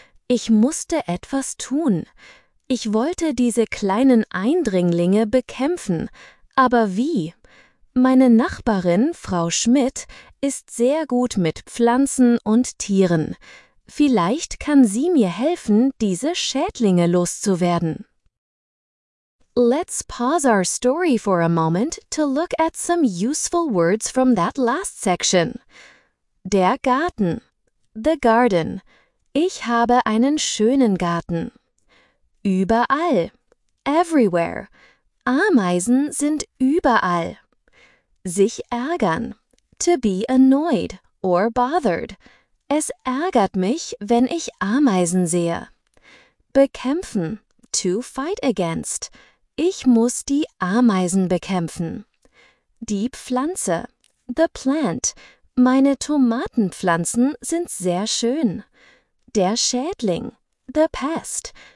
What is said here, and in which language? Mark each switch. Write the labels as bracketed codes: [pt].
[de] Ich musste etwas tun. Ich wollte diese kleinen Eindringlinge bekämpfen. Aber wie? Meine Nachbarin, Frau Schmidt, ist sehr gut mit Pflanzen und Tieren. Vielleicht kann sie mir helfen, diese Schädlinge loszuwerden. [en] Let's pause our story for a moment to look at some useful words from that last section. [de] Der Garten. [en] The garden. [de] Ich habe einen schönen Garten. Überall. [en] Everywhere. [de] Ameisen sind überall. Sich ärgern. [en] To be annoyed or bothered. [de] Es ärgert mich, wenn ich Ameisen sehe. Bekämpfen. [en] To fight against. [de] Ich muss die Ameisen bekämpfen. Die Pflanze. [en] The plant. [de] Meine Tomatenpflanzen sind sehr schön. Der Schädling. [en] The pest.